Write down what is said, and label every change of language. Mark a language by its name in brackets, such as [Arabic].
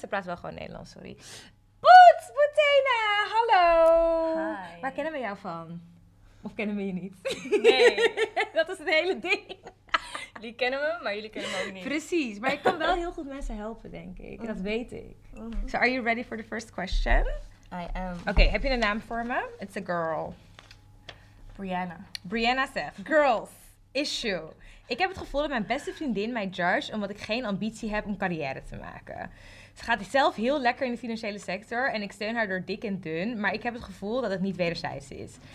[Dutch] Ze praat wel gewoon Nederlands, sorry. Boots, Boutena, hallo. [English] Hi. [Dutch] Waar kennen we jou van? Of kennen we je niet? Nee. Dat is het hele ding. Jullie kennen me, maar jullie kennen me ook niet. Precies, maar ik kan wel heel goed mensen helpen, denk ik. Dat weet ik. [English] So, are you ready for the first question? I am. [Dutch] Oké, heb je een naam voor me? [English] It's a girl. Brianna [Dutch] zegt, [English] girls, issue. [Dutch] Ik heb het gevoel dat mijn beste vriendin mij judge omdat ik geen ambitie heb om carrière te maken. Ze gaat zelf heel lekker in de financiële sector en ik steun haar door dik en dun, maar ik heb het gevoel dat het niet wederzijds is.